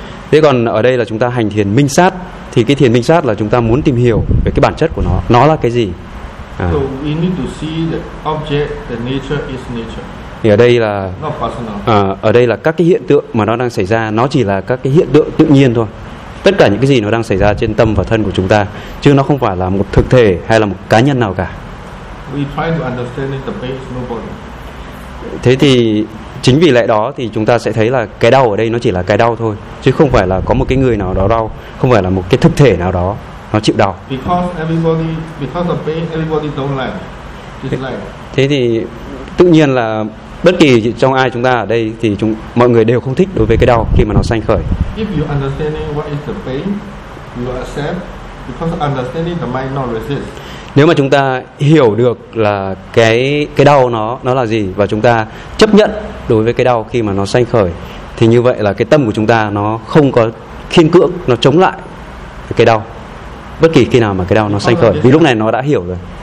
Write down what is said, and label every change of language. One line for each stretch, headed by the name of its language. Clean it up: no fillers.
Vietnamese: Thế còn ở đây là chúng ta hành thiền minh sát, thì cái thiền minh sát là chúng ta muốn tìm hiểu về cái bản chất của nó là cái gì.
English: So we need to see the object, the nature is nature.
Vietnamese: Thì ở đây là
English: not personal.
Vietnamese: Ở đây là các cái hiện tượng mà nó đang xảy ra, nó chỉ là các cái hiện tượng tự nhiên thôi. Tất cả những cái gì nó đang xảy ra trên tâm và thân của chúng ta, chứ nó không phải là một thực thể hay là một cá nhân nào cả.
English: We try to understand the base, nobody.
Vietnamese: Thế thì chính vì lẽ đó thì chúng ta sẽ thấy là cái đau ở đây nó chỉ là cái đau thôi, chứ không phải là có một cái người nào đó đau, không phải là một cái thực thể nào đó nó chịu đau.
English: Because of pain, everybody don't like.
Vietnamese: Thế thì tự nhiên là bất kỳ trong ai chúng ta ở đây thì mọi người đều không thích đối với cái đau khi mà nó sanh khởi.
English: If you understanding what is the pain, you accept because understanding the mind not resist.
Vietnamese: Nếu mà chúng ta hiểu được là cái đau nó là gì và chúng ta chấp nhận đối với cái đau khi mà nó sanh khởi, thì như vậy là cái tâm của chúng ta nó không có khiên cưỡng, nó chống lại cái đau. Bất kỳ khi nào mà cái đau nó sanh khởi, vì lúc này nó đã hiểu rồi.